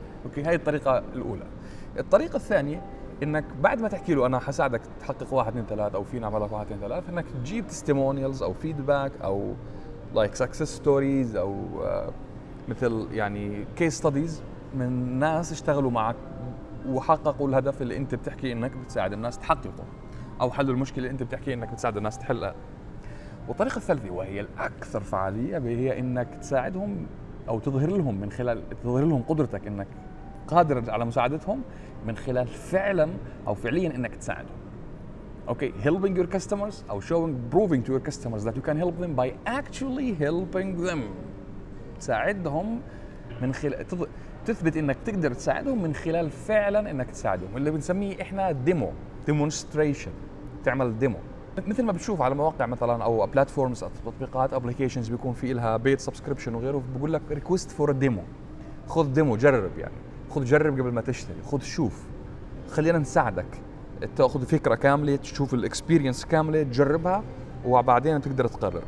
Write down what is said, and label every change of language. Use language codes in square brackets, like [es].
[ar] أوكي، هاي الطريقة الأولى. الطريقة الثانية أنك بعد ما تحكي له أنا حساعدك تحقق 1-2-3 أو فينا أعمل لك 1-2-3، أنك تجيب تستيمونيالز أو فيدباك أو [en] like success stories [ar] أو مثل يعني كيس ستاديز من ناس اشتغلوا معك وحققوا الهدف اللي انت بتحكي انك بتساعد الناس تحققه، او حلوا المشكله اللي انت بتحكي انك بتساعد الناس تحلها. والطريقه الثالثه وهي الاكثر فعاليه هي انك تساعدهم او تظهر لهم من خلال تظهر لهم قدرتك انك قادر على مساعدتهم من خلال فعلا او فعليا انك تساعدهم. [en] Okay, helping your customers or showing, proving to your customers that you can help them by actually helping them. [ar] تساعدهم من خلال تثبت انك تقدر تساعدهم من خلال فعلا انك تساعدهم، اللي بنسميه احنا ديمو، ديمونستريشن، تعمل ديمو. مثل ما بتشوف على مواقع مثلا او بلاتفورمز او تطبيقات ابلكيشنز بيكون في لها بيت سبسكريبشن وغيره، بقول لك [en] request for demo, [ar] خذ ديمو جرب، يعني خذ جرب قبل ما تشتري، خذ شوف، خلينا نساعدك تاخذ فكره كامله، تشوف الاكسبيرينس كامله، تجربها وبعدين تقدر تقرر.